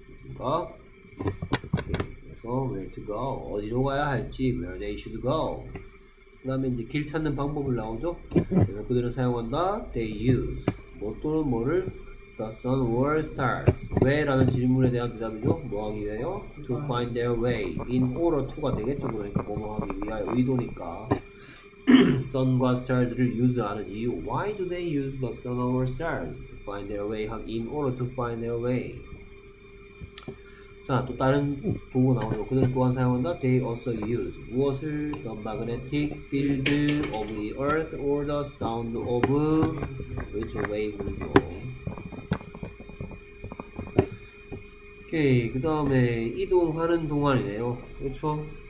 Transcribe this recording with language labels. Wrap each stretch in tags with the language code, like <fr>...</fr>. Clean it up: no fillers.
<ko>그러니까 그래서</ko> <en>where to go.</en> <ko>어디로 가야 할지.</ko> <en>where they should go.</en> <ko>그 다음에 이제 길 찾는 방법을 나오죠. 그들은 사용한다.</ko> <en>They use</en> <ko>뭐 또는 뭐를</ko> <en>The sun or stars</en> <ko>왜? 라는 질문에 대한 대답이죠. 뭐하기 위하여?</ko> <en>To find their way in order to가 되겠죠.</en> <ko>그러니까 뭐하기 위하여 의도니까 sun과 stars를 use하는 이유.</ko> <en>Why do they use the sun or stars? To find their way in order to find their way.</en> <ko>자, 또 다른 도구 나오죠. 그들은 또한 사용한다.</ko> <en>They also use</en> <ko>무엇을?</ko> <en>The magnetic field of the earth or the sound of which wave이죠.</en> <ko>오케이, 그 다음에 이동하는 동안이네요. 그렇죠?</ko>